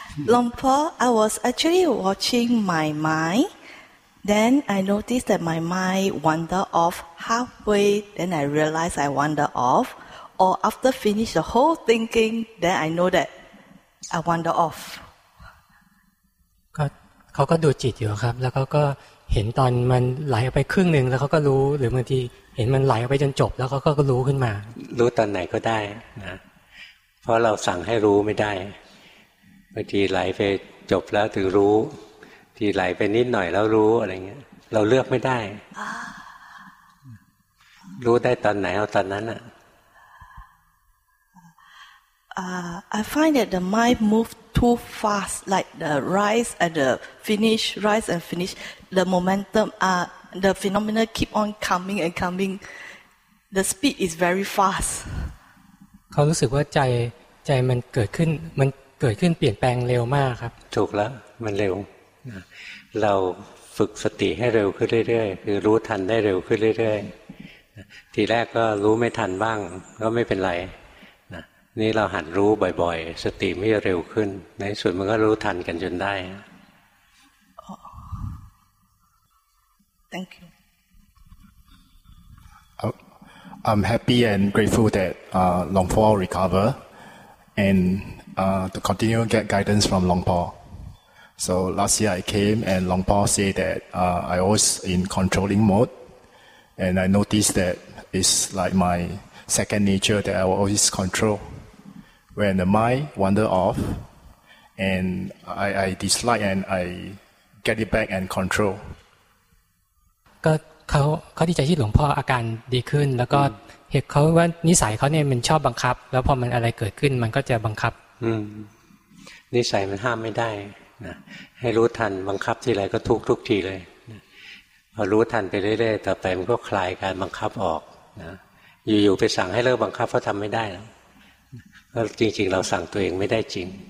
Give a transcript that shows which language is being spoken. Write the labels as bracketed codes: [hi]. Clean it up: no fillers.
[en] หลวงพ่อ I was actually watching my mind then I noticed that my mind wander offHalfway, then I realize I wander off, or after finish the whole thinking, then I know that I wander off. [th] ก็เขาก็ดูจิตอยู่ครับแล้วเขาก็เห็นตอนมันไหลไปครึ่งหนึ่งแล้วเขาก็รู้หรือบางทีเห็นมันไหลไปจนจบแล้วเขาก็รู้ขึ้นมารู้ตอนไหนก็ได้นะเพราะเราสั่งให้รู้ไม่ได้บางทีไหลไปจบแล้วถึงรู้ที่ไหลไปนิดหน่อยแล้วรู้อะไรเงี้ยเราเลือกไม่ได้รู้ได้ตอนไหนเอาตอนนั้น [en] อะ I find that the mind move too fast like the rise and the finish rise and finish the momentum the phenomena keep on coming and coming the speed is very fast [th] เขารู้สึกว่าใจมันเกิดขึ้นมันเกิดขึ้นเปลี่ยนแปลงเร็วมากครับ ถูกแล้วมันเร็วเราฝึกสติให้เร็วขึ้นเรื่อยๆคือรู้ทันได้เร็วขึ้นเรื่อยๆทีแรกก็รู้ไม่ทันบ้างก็ไม่เป็นไรนะนี่เราหัดรู้บ่อยๆสติมันจะเร็วขึ้นในส่วนมันก็รู้ทันกันจนได้ [en] Thank you I'm happy and grateful that Long Po recover and to continue get guidance from Long Po so last year I came and Long Po say that I was in controlling modeAnd I noticed that it's like my second nature that I will always control. When the mind wander off, and I dislike and I get it back and control. [th] ก็เขาดีใจที่หลวงพ่ออาการดีขึ้นแล้วก็เห็นเขาว่านิสัยเขาเนี่ยมันชอบบังคับแล้วพอมันอะไรเกิดขึ้นมันก็จะบังคับ นิสัยมันห้ามไม่ได้นะให้รู้ทันบังคับทีไรก็ทุกทีเลยพอรู้ทันไปเรื่อยๆต่อไปมันก็คลายการบังคับออกนะอยู่ๆไปสั่งให้เลิกบังคับเพราะทำไม่ได้แล้วก็จริงๆเราสั่งตัวเองไม่ได้จริง